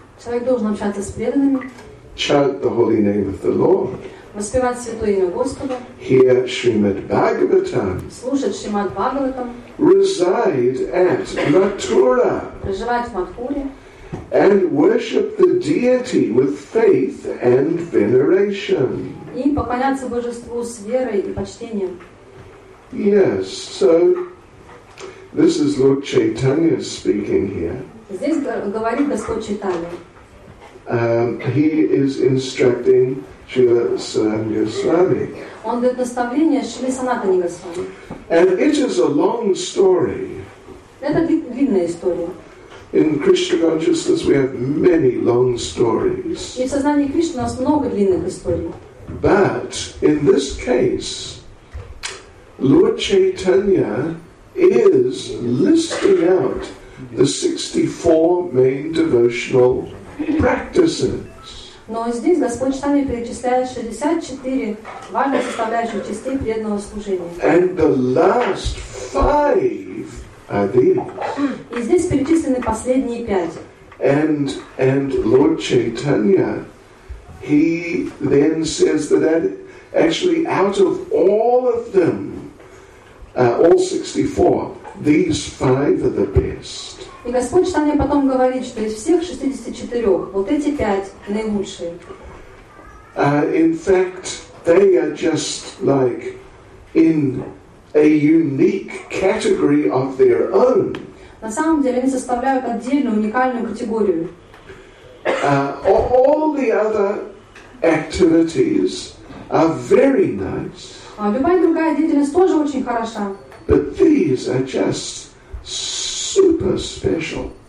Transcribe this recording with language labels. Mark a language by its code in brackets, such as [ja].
[ru] Человек должен общаться с преданными. [en] Chant the holy name of the Lord. [ru] Воспевать святое имя Господа. [en] Hear Shrimad Bhagavatam. [ru] Слушать Шримад Бхагаватам. [en] Reside at Mathura. [ru] Проживать в Матхуре. [en] And worship the deity with faith and veneration. [ru] И поклоняться божеству с верой и почтением. [en] Yes, so this is Lord Chaitanya speaking here. [ru] Здесь говорит Господь Чайтанья. [en] He is instructing Śrīla Sanatana Goswami. [ru] Он дает наставление Śrīla Sanatana Goswami. [en] And it is a long story. [ru] Это длинная история. [en] In Krishna consciousness we have many long stories. [ru] И в сознании Кришны у нас много длинных историй. [en] But in this case, Lord Chaitanya is listing out the 64 main devotional practices. [ru] Но здесь Господь Читание перечисляет 64 важных составляющих частей преданного служения. [en] And the last five are these. [ru] И здесь перечислены последние пять. [en] And Lord Chaitanya, he then says that actually out of all of them, all 64, these five are the best. [ru] И Господь Читание потом говорит, что из всех 64 вот эти пять наилучшие. [en] In fact, they are just like in a unique category of their own. [ru] На самом деле они составляют отдельную уникальную категорию. [en] All the other activities are very nice. [ru] Любая другая деятельность тоже очень хороша. [en] But these are just super special.